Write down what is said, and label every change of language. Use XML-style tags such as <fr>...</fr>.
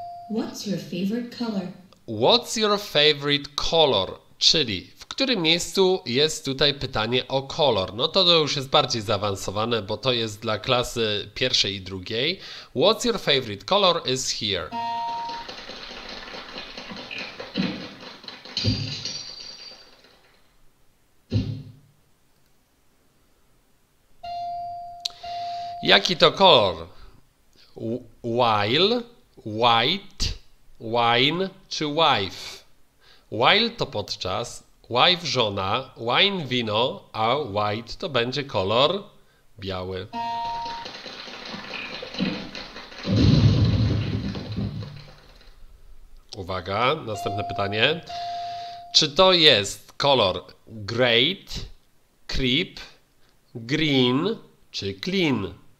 <en>What's your favorite color? What's your favorite color?</en> <pl>Czyli w którym miejscu jest tutaj pytanie o kolor? No to już jest bardziej zaawansowane, bo to jest dla klasy pierwszej i drugiej.</pl> <en>What's your favorite color is here?</en> <pl>Jaki to kolor? While, white, wine czy wife? While to podczas, wife żona, wine wino, a white to będzie kolor biały. Uwaga, następne pytanie. Czy to jest kolor great, creep, green czy clean?</pl>